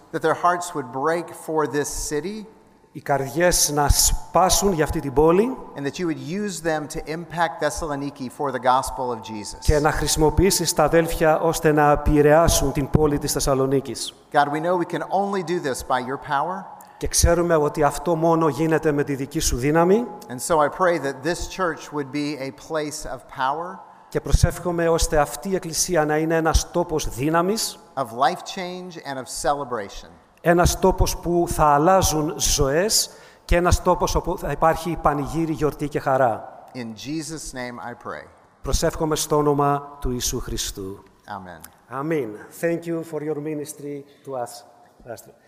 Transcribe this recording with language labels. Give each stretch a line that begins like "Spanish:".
English: That their hearts would break for this city.
Greek: οι καρδιές να σπάσουν για αυτή την πόλη
English: and that you would use them to impact Thessaloniki for the gospel of Jesus.
Greek: Και να χρησιμοποιήσεις τα αδέλφια ώστε να επηρεάσουν την πόλη της Θεσσαλονίκης.
English: God, we know we can only do this by your power.
Greek: Και ξέρουμε ότι αυτό μόνο γίνεται με τη δική σου δύναμη.
English: And so I pray that this church would be a place of power.
Greek: Και προσεύχομαι ώστε αυτή η εκκλησία να είναι ένας τόπος δύναμης.
English: Of life change and of celebration.
Greek: Ένας τόπος που θα αλλάζουν ζωές και ένας τόπος όπου θα υπάρχει πανηγύρι, γιορτή και χαρά.
English: In Jesus' name I pray.
Greek: Προσεύχομαι στο όνομα του Ιησού Χριστού.
English: Amen. Amen. Thank you for your ministry to us. Pastor.